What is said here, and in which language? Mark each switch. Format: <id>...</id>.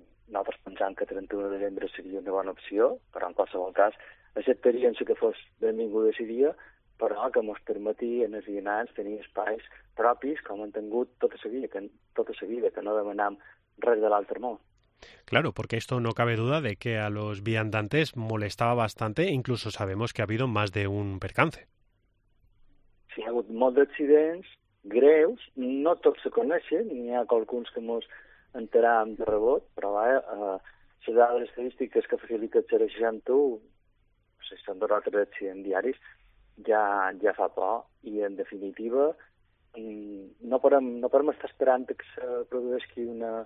<ca>Nosaltres pensàvem que 31 de desembre seria una bona opció, però en qualsevol cas acceptaríem que fos benvingut a dia, però que ens permeti en els vianants tenir espais propis, com han tingut tota la vida, que no demanam res de l'altre món.</ca> <es>Claro, porque esto no cabe duda de que a los viandantes molestava bastante, incluso sabemos que ha habido más de un percance.</es> <ca>Sí, ha hagut molts accidents greus, no tots se coneixen, n'hi ha alguns que ens enteràvem de rebot, però les dades estadístiques que facilita el 061, no sé si són 2 o 3 accidents diaris, ja fa por, i en definitiva no podem estar esperant que se produeixi un</ca>